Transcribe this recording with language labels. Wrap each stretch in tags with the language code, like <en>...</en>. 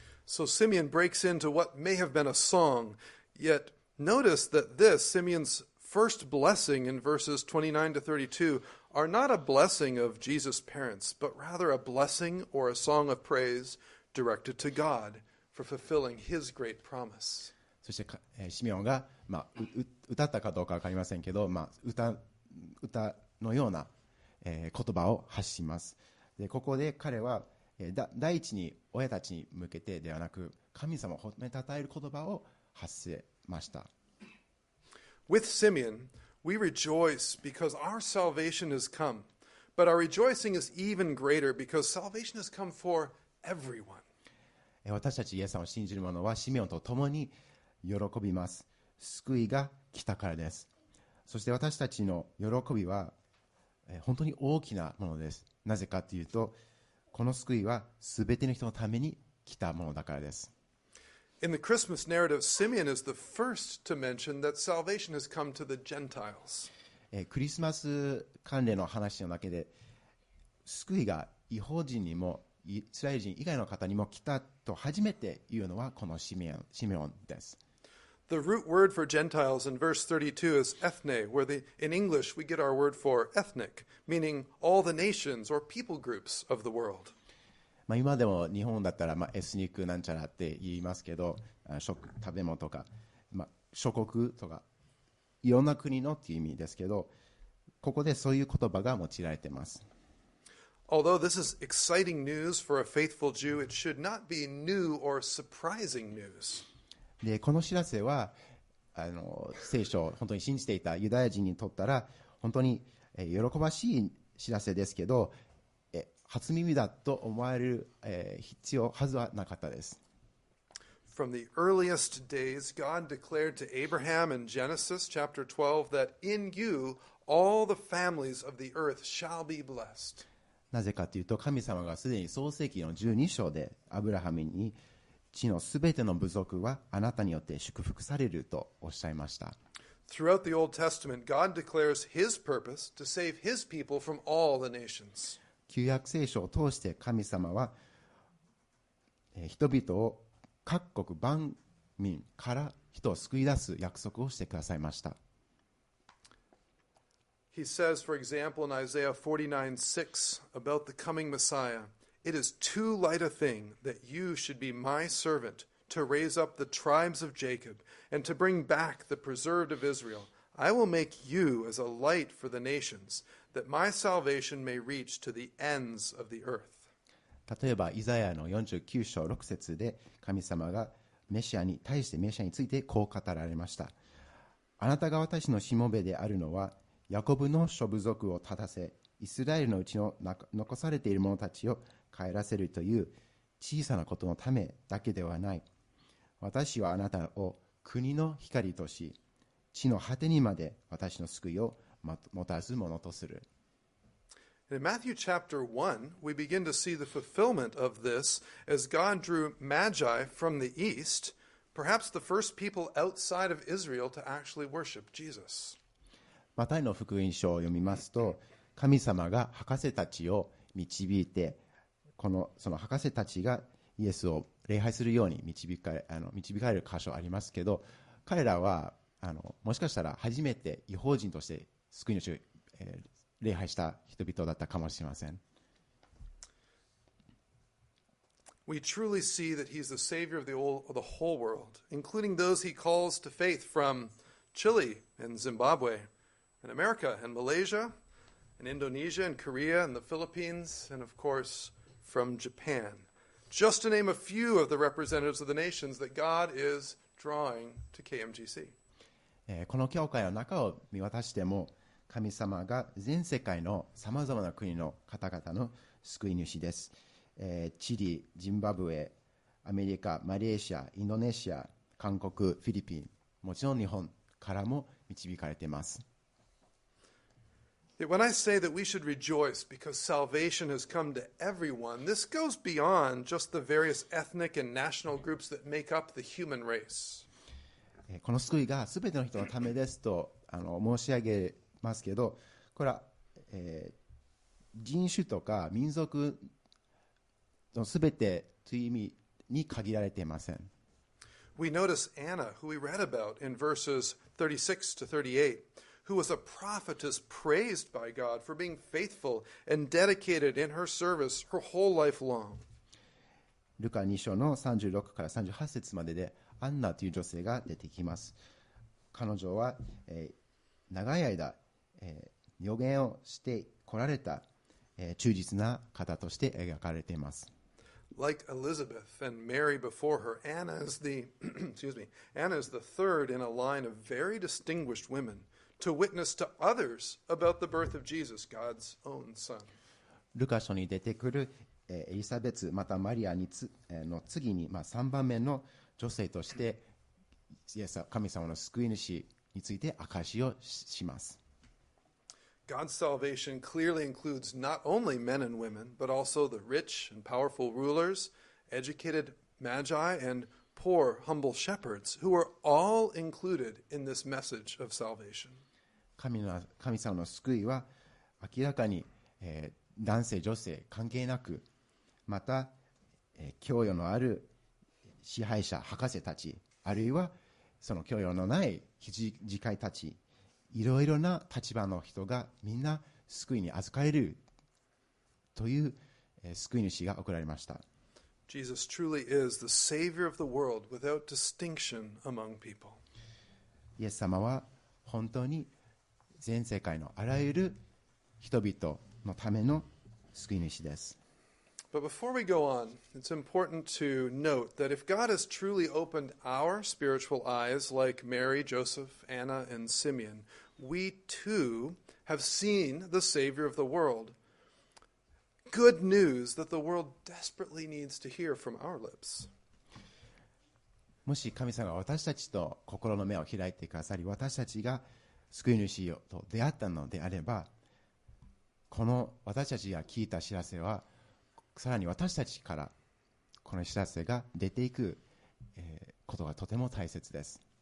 <en>So Simeon breaks into what may have been a song, yet notice that this, Simeon's first blessing in verses 29 to 32 are not a blessing of Jesus' parents, but rather a blessing or a song of praise directed to God for fulfilling his great promise.</en> <ja>そして、シメオンが、歌ったかどうか分かりませんけど、歌のような言葉を発します。でここで彼は第一に親たちに向けてではなく神様を褒めたたえる言葉を発せました。</ja> <en>With Simeon we rejoice because our salvation has come, but our rejoicing is even greater because salvation has come for everyone.</en> <ja>私たちイエス様を信じる者はシメオンと共に喜びます。救いが来たからです。そして私たちの喜びは本当に大きなものです。なぜかというと、この救いは全ての人のために来たものだからです。</ja> <en>In the Christmas narrative, Simeon is the first to mention that salvation has come to the Gentiles.</en> <ja>クリスマス関連の話の中で、救いが異邦人にもイスラエル人以外の方にも来たと初めて言うのはこのシメオンです。</ja> <en>The root word for Gentiles in verse 32 is ethne, where in English we get our word for ethnic, meaning all the nations or people groups of the world.</en> <ja>今でも日本だったらエスニックなんちゃらって言いますけど、食べ物とか、諸国とか、いろんな国のっていう意味ですけど、ここでそういう言葉が用いられています。</ja> <en>Although this is exciting news for a faithful Jew, it should not be new or surprising news.</en> <ja>でこの知らせは聖書を本当に信じていたユダヤ人にとったら本当に喜ばしい知らせですけど、初耳だと思われる、必要はずはなかったです。</ja> <en>From the earliest days, God declared to Abraham in Genesis chapter 12 that in you all the families of the earth shall be blessed.</en> <ja>なぜかというと神様がすでに創世記の12章でアブラハムに地のすべての部族はあなたによって祝福されるとおっしゃいました。</ja> <en>Throughout the Old Testament, God declares His purpose to save His people from all the nations.</en> <ja>旧約聖書を通して神様は人々を各国万民から人を救い出す約束をしてくださいました。</ja> <en>He says, for example, in Isaiah 49:6 about the coming Messiah. It is too light a thing that you should be my servant to raise up the tribes of Jacob and to bring back the preserved of Israel. I will make you as a light for the nations, that my salvation may reach to the ends of the earth.</en> <ja>例えばイザヤの49章6節で神様がメシアに対してメシアについてこう語られました。あなたが私のしもべであるのはヤコブの諸部族を立たせイスラエルのうちの残されている者たちを帰らせるという小さなことのためだけではない。私はあなたを国の光とし、地の果てにまで私の救いをもたらすものとする。</ja> <en>In Matthew chapter 1, we begin to see the fulfillment of this as God drew Magi from the east, perhaps the first people outside of Israel to actually worship Jesus.</en> <ja>マタイの福音書を読みますと、神様が博士たちを導いて、その博士たちがイエスを礼拝するように導かれる箇所ありますけど、彼らはもしかしたら初めて異邦人として救い主を、礼拝した人々だったかもしれません。</ja> <en>We truly see that he's the savior of the whole world, including those he calls to faith from Chile and Zimbabwe and America and Malaysia and Indonesia and Korea and the Philippines and, of course, from Japan. Just to name a few of the representatives of the nations that God is drawing to KMGC.</en> <ja>この教会の中を見渡しても神様が全世界のさまざまな国の方々の救い主です。チリ、ジンバブエ、アメリカ、マレーシア、インドネシア、韓国、フィリピン、もちろん日本からも導かれています。</ja> <en>When I say that we should rejoice because salvation has come to everyone, this goes beyond just the various ethnic and national groups that make up the human race.</en> <ja>この救いが全ての人のためですと申し上げますけど、これは、人種とか民族の全てという意味に限られていません。</ja> <en>We notice Anna, who we read about in verses 36 to 38, who was a prophetess praised by God for being faithful and dedicated in her service her whole life long.</en> <ja>ルカ2章の36から38節まででアンナという女性が出てきます。彼女は、長い間、予言をしてこられた、忠実な方として描かれています。</ja> <en>Like Elizabeth and Mary before her, Anna is the, excuse me, Anna is the third in a line of very distinguished women to witness to others about the birth of Jesus, God's own son.</en> <ja>ルカ書に出てくる、エリサベツまたマリアにつ、の次に、まあ、3番目の女性として、イエス神様の救い主について証しをします。</ja> <en>God's salvation clearly includes not only men and women, but also the rich and powerful rulers, educated magi, and poor, humble shepherds, who are all included in this message of salvation.</en> <ja>神様の救いは明らかに、男性、女性関係なく、また、教養のある支配者、博士たち、あるいはその教養のない羊飼いたち、いろいろな立場の人がみんな救いに預かれるという救い主が送られました。</ja> <en>Jesus truly is the Savior of the world without distinction among people.</en> <ja>イエス様は本当に全世界のあらゆる人々のための救い主です。</ja> <en>But before we go on, it's important to note that if God has truly opened our spiritual eyes like Mary, Joseph, Anna, and Simeon, we too have seen the Savior of the world. Good news that the world desperately needs to hear from our lips.</en> <ja>もし神様が私たちと心の目を開いてくださり、私たちが救い主と出会ったのであれば、この私たちが聞いた知らせは、さらに私たちからこの知らせが出ていくことがとても大切です。</ja>